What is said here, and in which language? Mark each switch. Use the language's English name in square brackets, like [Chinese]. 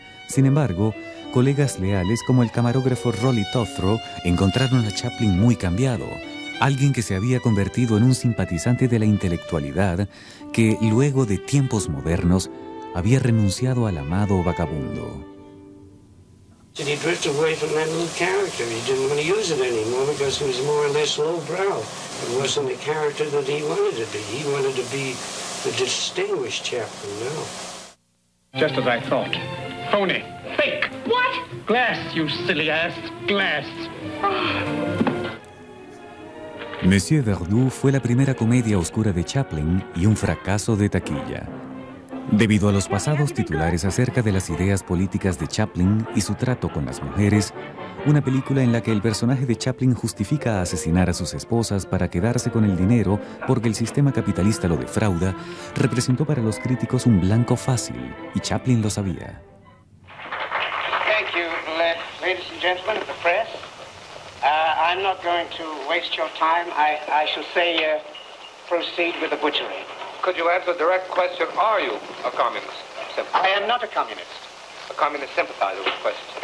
[Spanish] Sin embargo, colegas leales como el camarógrafo Rolly Tothro encontraron a Chaplin muy cambiado, alguien que se había convertido en un simpatizante de la intelectualidad que, luego de tiempos modernos, había renunciado al amado vagabundo. [English] did he drift away from that new character? He didn't want to use it anymore because he was more or less lowbrow. It wasn't the character that he wanted to be. He wanted to be the distinguished Chaplin, no. Just as I thought. Phony. Fake. What? Glass, you silly ass. Glass. [Spanish] Monsieur Verdoux fue la primera comedia oscura de Chaplin y un fracaso de taquilla. Debido a los pasados titulares acerca de las ideas políticas de Chaplin y su trato con las mujeres, una película en la que el personaje de Chaplin justifica asesinar a sus esposas para quedarse con el dinero porque el sistema capitalista lo defrauda, representó para los críticos un blanco fácil y Chaplin lo sabía. [English] Thank you, ladies and gentlemen of the press. I'm not going to waste your time. I shall say, proceed with the butchery. Could you answer a direct question? Are you a communist? I am not a communist. A communist sympathizer with the question.